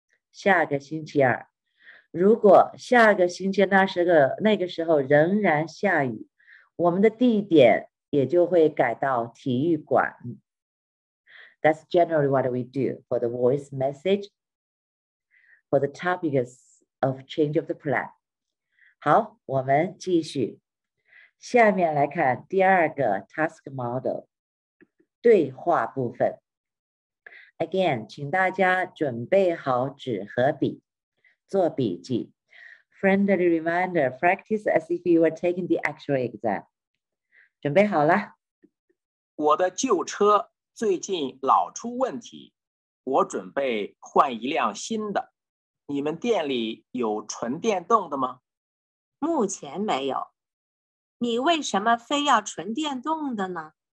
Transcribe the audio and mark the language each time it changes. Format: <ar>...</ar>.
<zh>下个星期二，如果下个星期那个时候仍然下雨，我们的地点也就会改到体育馆。</zh> <en>That's generally what we do for the voice message for the topics of change of the plan.</en> <zh>好，我们继续。下面来看第二个 task model 对话部分。</zh> <en>Again,</en> <zh>请大家准备好纸和笔，做笔记。</zh> <en>Friendly reminder, practice as if you were taking the actual exam.</en> <zh>准备好了。我的旧车最近老出问题，我准备换一辆新的。你们店里有纯电动的吗？目前没有。你为什么非要纯电动的呢？</zh>